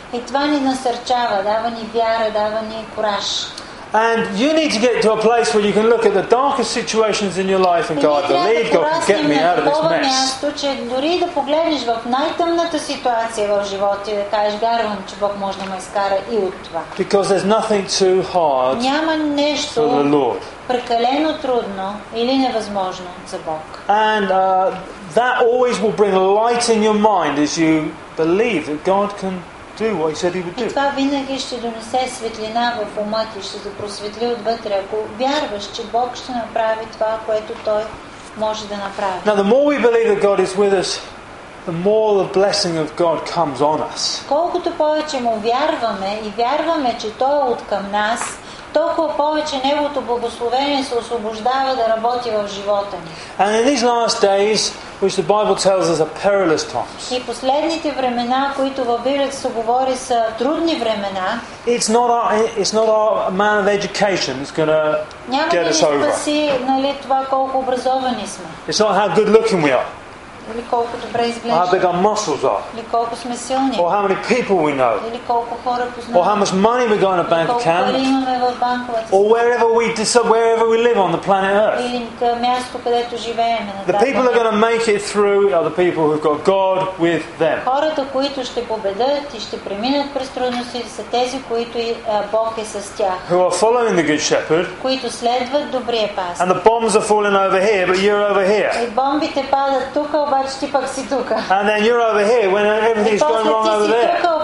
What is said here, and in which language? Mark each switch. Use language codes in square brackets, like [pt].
[bg] И това ни насърчава, дава ни вяра, дава ни кураж. [en] And you need to get to a place where you can look at the darkest situations in your life and go, I believe God can get me out of this mess. [bg] Че дори да погледнеш в най-тъмната ситуация в живота и да кажеш, вярвам, че Бог може да ме изкара и от това. [en] Because there's nothing too hard. [bg] Няма нещо прекалено трудно или невъзможно за Бог. [en] And that always will bring light in your mind as you believe that God can do what he said he would do. [bg] Това винаги ще донесе светлина в ума ти, ще се просветли отвътре, ако вярваш, че Бог ще направи това, което той може да направи. [en] Now the more we believe that God is with us, the more the blessing of God comes on us. [bg] Колкото повече му вярваме и вярваме, че той е откъм нас, толкова повече неговото благословение се освобождава да работи в живота ни. [en] And in these last days, which the Bible tells us are perilous times. [bg] И последните времена, които в Библията се говори, са трудни времена. [en] It's not our amount of education that's going to get us over. [bg] Няма да ни спаси, нали, това колко образовани сме. [en] It's not how good looking we are. [bg] Или колко добре изглеждаме. [en] How big our muscles are. [bg] Или колко сме силни. [en] Or how many people we know. [bg] Или колко хора познаваме. [en] Or how much money we got in a bank account. [bg] Или колко пари имаме в банковата сметка. [en] Or wherever we live on the planet Earth. [bg] Или място, където живеем. [en] The people are going to make it through are the people who've got God with them. [bg] Хората, които ще победят и ще преминат през трудности, са тези, които Бог е с тях. [en] Who are following the Good Shepherd. [bg] Които следват добрия пастир. [en] And the bombs are falling over here, but you're over here. [bg] И бомбите падат тук. [en] And then you're over here when everything's going wrong over there.